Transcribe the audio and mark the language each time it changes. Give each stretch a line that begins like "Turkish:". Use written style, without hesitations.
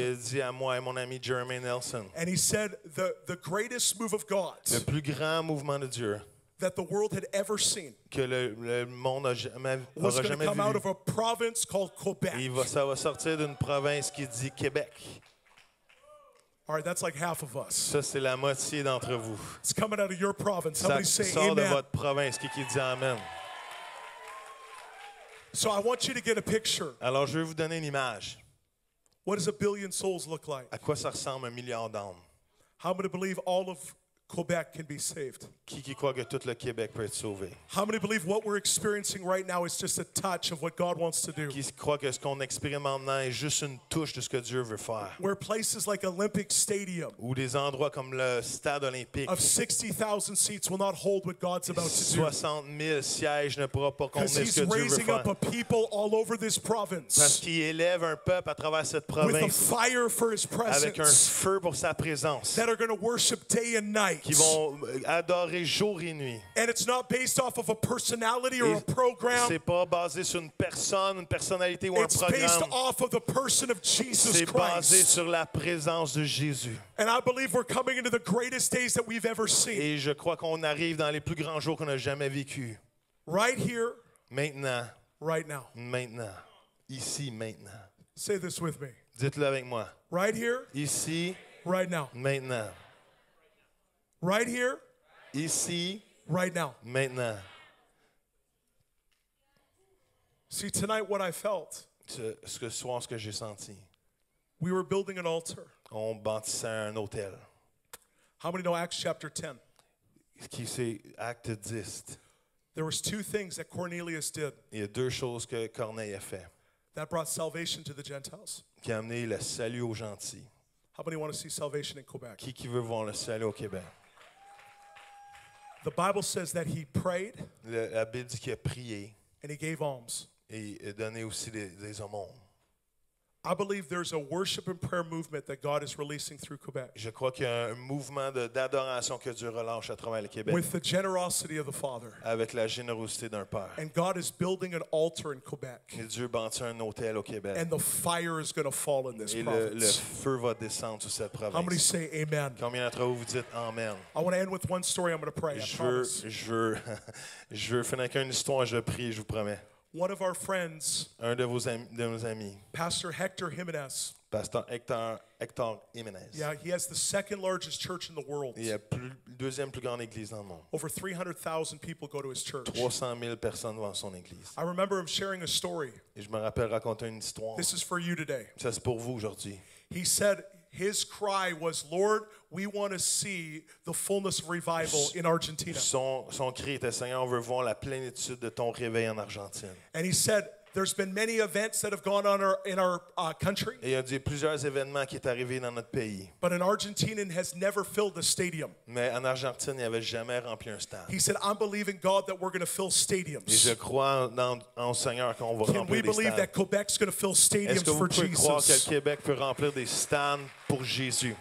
French: Il a dit à moi et mon ami Jeremy Nelson.
English: And he said the greatest move of God.
French: Le plus grand mouvement de Dieu.
English: That the world had ever seen.
French: Que le monde jamais vu.
English: Was going to come out of a province called Quebec.
French: Ça va sortir d'une province qui dit Québec.
English: All right, that's like half of us.
French: Ça, c'est la moitié d'entre vous.
English: It's coming out of your province. Somebody
French: ça,
English: say amen.
French: De votre province qui dit amen.
English: So I want you to get a picture.
French: Alors, je vais vous donner une image.
English: What does a billion souls look like?
French: À quoi ça ressemble un milliard d'âmes?
English: How many believe all of Quebec can be saved?
French: Qui croit que tout le Québec peut être sauvé?
English: How many believe what we're experiencing right now is just a touch of what God wants to do?
French: Qui croit que ce qu'on expérimente maintenant est juste une touche de ce que Dieu veut faire?
English: Where places like Olympic Stadium,
French: ou des endroits comme le stade olympique,
English: of 60,000 seats will not hold what God's about to do.
French: 60,000 sièges ne pourront pas contenir ce que Dieu veut faire.
English: Because He's raising up a people all over this province.
French: Parce qu'il élève un peuple à travers cette province.
English: With a fire for His presence.
French: Avec un feu pour sa présence.
English: That are going to worship day and night.
French: Qui vont adorer jour et nuit.
English: And it's not based off of a personality or a program.
French: C'est pas basé sur une personne, une personnalité ou
English: it's
French: un programme.
English: It's based off of the person of Jesus
French: c'est
English: Christ.
French: C'est basé sur la présence de Jésus.
English: And I believe we're coming into the greatest days that we've ever seen.
French: Et je crois qu'on arrive dans les plus grands jours qu'on a jamais vécu.
English: Right here.
French: Maintenant.
English: Right now.
French: Maintenant. Ici, maintenant.
English: Say this with me.
French: Dites-le avec moi.
English: Right here.
French: Ici.
English: Right now.
French: Maintenant.
English: Right here,
French: ici,
English: right now.
French: Maintenant.
English: See, tonight what I felt.
French: Ce que j'ai senti.
English: We were building an altar.
French: On bâtissait un autel.
English: How many know Acts chapter 10?
French: Qui sait acte 10?
English: There was two things that Cornelius did.
French: Il y a deux choses que Corneille a fait.
English: That brought salvation to the Gentiles.
French: Qui a amené le salut aux gentils.
English: How many want to see salvation in Quebec?
French: Qui veut voir le salut au Québec?
English: The Bible says that he prayed.
French: La Bible dit qu'il a prié.
English: And he gave alms.
French: Et donné aussi des aumônes.
English: I believe there's a worship and prayer movement that God is releasing through Quebec.
French: Je crois qu'il y a un mouvement d'adoration que Dieu relâche à travers le Québec.
English: With the generosity of the Father.
French: Avec la générosité d'un père.
English: And God is building an altar in Quebec.
French: Et Dieu bâtit un autel au Québec.
English: And the fire is going to fall in this province.
French: Et le feu va descendre sur cette province.
English: How many say amen?
French: Combien d'entre vous vous dites amen?
English: I want to end with one story. I'm going to pray.
French: Je veux finir avec une histoire. Je prie. Je vous promets.
English: One of our friends,
French: un de vos amis,
English: Pastor Hector Jimenez. Pastor Hector Jimenez. Yeah, he has the second largest church in the world.
French: Il a deuxième plus grande église dans le monde.
English: Over 300,000 people go to his church.
French: 300,000 personnes vont à son église.
English: I remember him sharing a story.
French: Et je me rappelle raconter une histoire.
English: This is for you today.
French: Ça c'est pour vous aujourd'hui.
English: He said his cry was, "Lord, we want to see the fullness of revival in Argentina."
French: Son cri était, Seigneur, on veut voir la plénitude de ton réveil en Argentine.
English: And he said, "There's been many events that have gone on in our country."
French: Et il a dit plusieurs événements qui est arrivé dans notre pays.
English: But an Argentinian has never filled a stadium.
French: Mais en Argentine, il n'avait jamais rempli un stade.
English: He said, "I'm believing God that we're going to fill stadiums."
French: Et je crois en Seigneur qu'on va remplir des stades.
English: Can we believe that Quebec's going to fill stadiums for Jesus?
French: Est-ce que vous pouvez croire que le Québec peut remplir des stades pour Jésus?